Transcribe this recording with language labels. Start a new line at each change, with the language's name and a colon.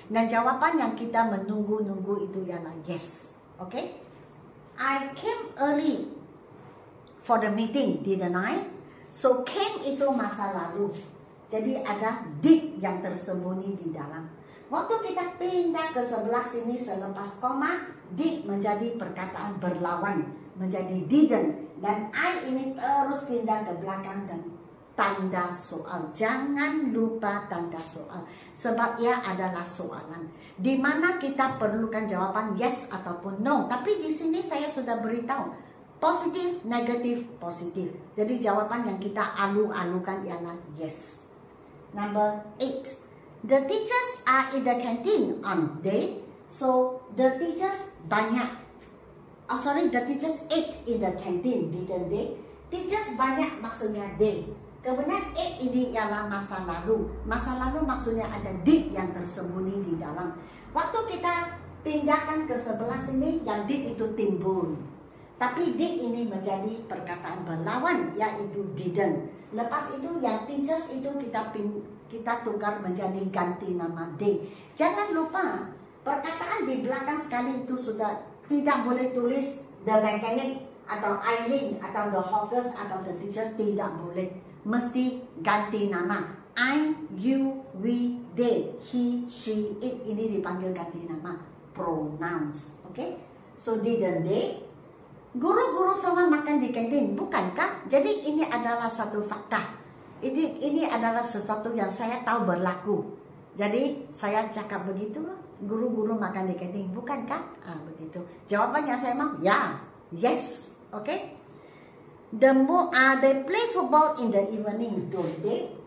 Malay: Dan jawaban yang kita menunggu-nunggu itu ialah yes.
English: Okay? I came early for the meeting, didn't I?
Malay: So came itu masa lalu. Jadi ada did yang tersembunyi di dalam. Waktu kita pindah ke sebelah sini selepas koma, did menjadi perkataan berlawan, menjadi didn't. Dan I ini terus pindah ke belakang dan tanda soal. Jangan lupa tanda soal. Sebab ia adalah soalan. Di mana kita perlukan jawaban yes ataupun no. Tapi di sini saya sudah beritahu. Positif, negatif, positif. Jadi jawaban yang kita alu-alukan ialah yes.
English: Number 8. The teachers are in the canteen, aren't they? So the teachers banyak. Oh sorry, the teachers ate in the canteen, didn't they?
Malay: Teachers banyak maksudnya they. Kebenaran eh ini ialah masa lalu. Masa lalu maksudnya ada did yang tersembunyi di dalam. Waktu kita pindahkan ke sebelah sini, yang did itu timbul. Tapi did ini menjadi perkataan berlawan, yaitu didn't. Lepas itu yang teachers itu kita tukar menjadi ganti nama they. Jangan lupa, perkataan di belakang sekali itu sudah tidak boleh tulis the mechanic atau Aileen atau the hawkers atau the teachers, tidak boleh. Mesti ganti nama. I, you, we, they, he, she, it. Ini dipanggil ganti nama. Pronouns. Okay?
English: So, didn't they?
Malay: Guru-guru semua makan di kantin, bukankah? Jadi, ini adalah satu fakta. Ini adalah sesuatu yang saya tahu berlaku. Jadi, saya cakap begitu. Guru-guru makan di kantin, bukankah? Ah, begitu. Jawabannya saya emang, ya.
English: Yes. Okay? They play football in the evenings, don't they?